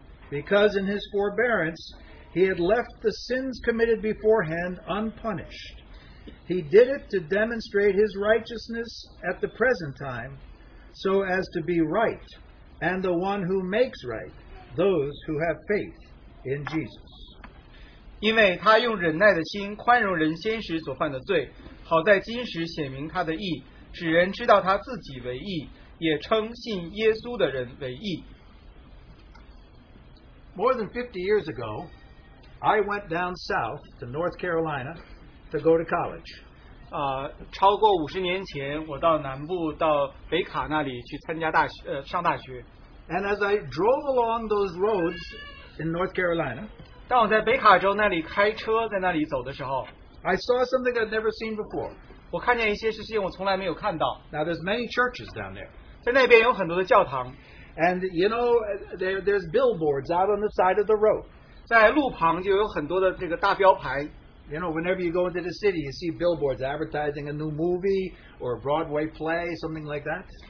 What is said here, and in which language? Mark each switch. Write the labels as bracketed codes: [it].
[en] Because in His forbearance, He had left the sins committed beforehand unpunished. He did it to demonstrate His righteousness at the present time, so as to be right, and the one who makes right, those who have faith in Jesus. [zh] 因为他用忍耐的心宽容人先时所犯的罪,好在今时显明他的义,使人知道他自己为义,也称信耶稣的人为义。 [en] More than 50 years ago, I went down south to North Carolina to go to college. [zh] 超过50年前, 我到南部到北卡那里去参加大学,上大学。 [en] And as I drove along those roads in North Carolina, [zh] 当我在北卡州那里开车在那里走的时候, [en] I saw something I'd never seen before. [zh] 我看见一些事情我从来没有看到。 [en] Now there's many churches down there. [zh] 在那边有很多的教堂。 [en] And you know, there's billboards out on the side of the road. [zh] 在路旁就有很多的这个大标牌。 [en] You know, whenever you go into the city, you see billboards advertising a new movie or a Broadway play, something like that.